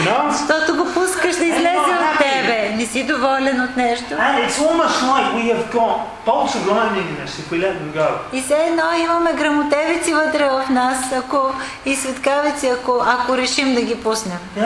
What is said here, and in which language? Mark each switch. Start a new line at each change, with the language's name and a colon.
Bulgarian: Защото го пускаш да излезе от тебе. Не си доволен от нещо.
English: And it's almost like we have got bolts of lightning in us if we let them go.
Bulgarian: И все едно имаме грамотевици вътре в нас, ако и светкавици, ако решим да ги пуснем.